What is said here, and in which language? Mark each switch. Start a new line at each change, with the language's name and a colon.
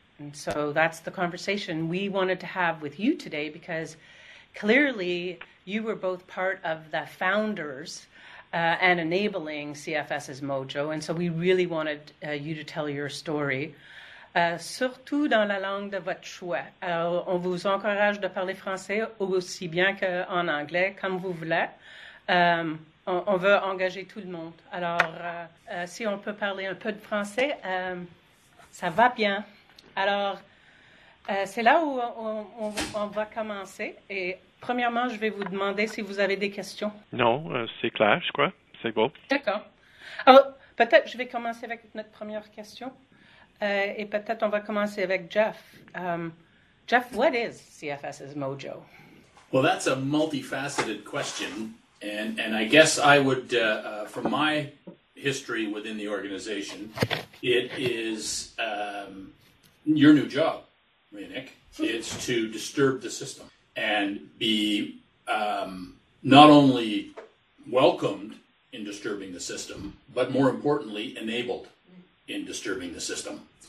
English: And so that's the conversation we wanted to have with you today, because clearly you were both part of the founders and enabling CFS's mojo. And so we really wanted you to tell your story.
French: Surtout dans la langue de votre choix. Alors, on vous encourage de parler français aussi bien qu'en anglais, comme vous voulez. On veut engager tout le monde. Alors, si on peut parler un peu de français, ça va bien. Alors, c'est là où on va commencer. Et premièrement, je vais vous demander si vous avez des questions. Non, c'est clair, je crois. C'est beau. D'accord. Alors, peut-être je vais commencer avec notre première question. Et peut-être on va commencer avec Geoff.
English: Geoff, what is CFS's Mojo? Well, that's a multifaceted question, and I guess I would, from my history within the organization, it is your new job, Marie-Annick. It's to disturb the system and be not only welcomed in disturbing the system, but more importantly, enabled in disturbing the system.